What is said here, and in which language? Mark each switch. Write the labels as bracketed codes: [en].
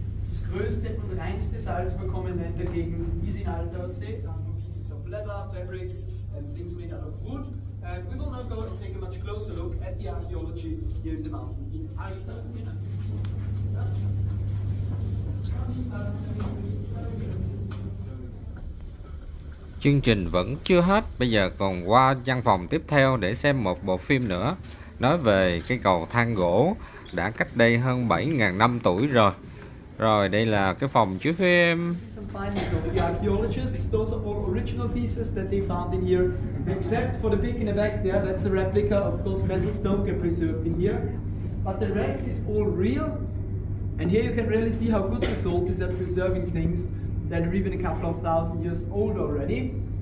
[de] Das größte und reinste Salz bekommen wir dagegen ist in Altaussee. [en] Some pieces of leather, fabrics and things made out of wood. And we will now go and take a much closer look at the archaeology here in the mountain in Altaussee. [de] Ja. [vi] Chương trình vẫn chưa hết, bây giờ còn qua văn phòng tiếp theo để xem một bộ phim nữa. Nói về cái cầu thang gỗ đã cách đây hơn 7.000 năm tuổi rồi. Rồi đây là cái phòng chiếu phim. [en] The archaeologists, those are all original pieces that they found in here. Except for the pig in the back there, that's a replica. Of course, metal stone can preserve in here. But the rest is all real. And here you can really see how good the salt is at preserving things that are even a couple of thousand years old already.